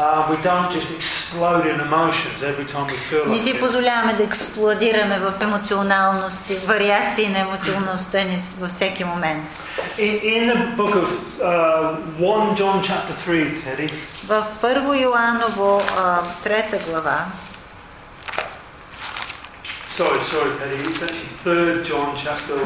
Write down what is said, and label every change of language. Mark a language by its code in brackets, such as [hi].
[en] We don't just explode in emotions every time we feel like [bg] it. Не си позволяваме да експлодираме в емоционалности, вариации на емоционалността ни във всеки момент. [en] In the book of 1 John chapter 3, Teddy. [bg] В 1 Йоанново 3 глава. [en] Sorry, Teddy. It's actually 3 John chapter 1.